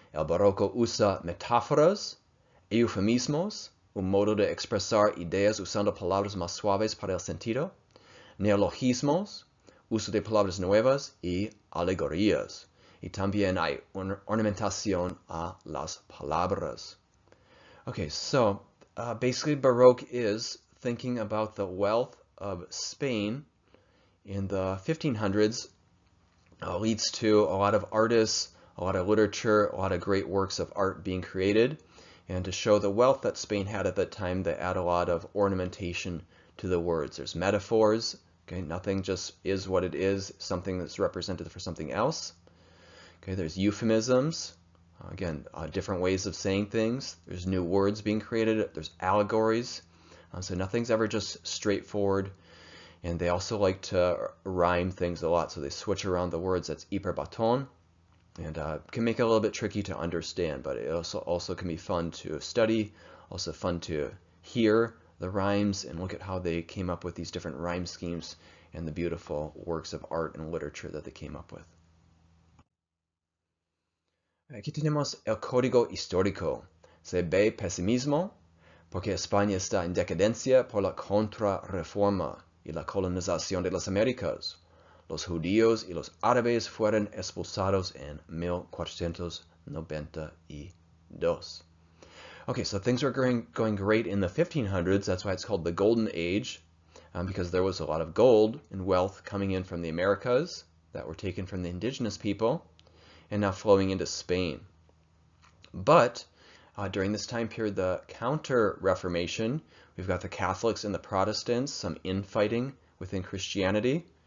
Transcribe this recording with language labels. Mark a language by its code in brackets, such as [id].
[es] El Baroco usa metáforas, eufemismos, un modo de expresar ideas usando palabras más suaves para el sentido, neologismos, uso de palabras nuevas y alegorías. Y también hay ornamentación a las palabras. [en] Okay, so basically Baroque is thinking about the wealth of Spain in the 1500s. Leads to a lot of artists, a lot of literature, a lot of great works of art being created. And to show the wealth that Spain had at that time, they add a lot of ornamentation to the words. There's metaphors, okay? Nothing just is what it is, something that's represented for something else. Okay, there's euphemisms, again, different ways of saying things. There's new words being created, there's allegories. So nothing's ever just straightforward. And they also like to rhyme things a lot, so they switch around the words. That's hiperbaton. And can make it a little bit tricky to understand, but it also can be fun to study, also fun to hear the rhymes and look at how they came up with these different rhyme schemes and the beautiful works of art and literature that they came up with. [es] Aquí tenemos el código histórico. Se ve pesimismo porque España está en decadencia por la contrarreforma y la colonización de las Américas. Los judíos y los árabes fueron expulsados en 1492. [en] Okay, so things were going great in the 1500s. That's why it's called the Golden Age, because there was a lot of gold and wealth coming in from the Americas that were taken from the indigenous people and now flowing into Spain. But during this time period, the Counter-Reformation, we've got the Catholics and the Protestants, some infighting within Christianity.